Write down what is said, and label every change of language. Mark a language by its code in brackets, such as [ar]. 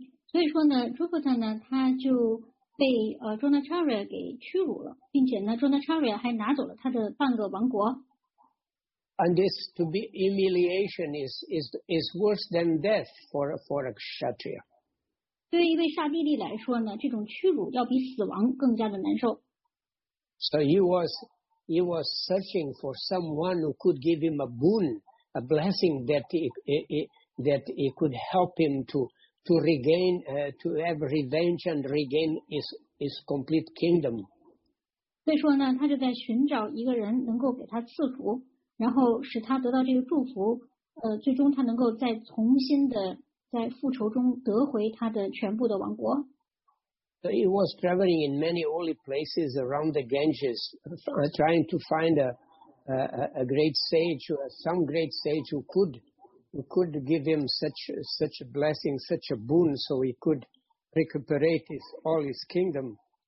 [zh] 所以说呢 Dropada 呢他就被Jonacharya 给屈辱了，并且呢 Jonacharya 还拿走了他的半个王国。 [en] And this to be humiliation is worse than death for a Kshatriya. [zh] 对一位刹帝利来说呢，这种屈辱要比死亡更加的难受。 [en] So he was searching for someone who could give him a boon, a blessing that he could help him to regain, to have revenge and regain his complete kingdom. [zh] 所以说呢，他就在寻找一个人能够给他赐福，然后使他得到这个祝福，最终他能够再重新的在复仇中得回他的全部的王国。 [en] So he was traveling in many holy places around the Ganges, trying to find a great sage, some great sage who could give him such a blessing, such a boon, so he could recuperate all his kingdom.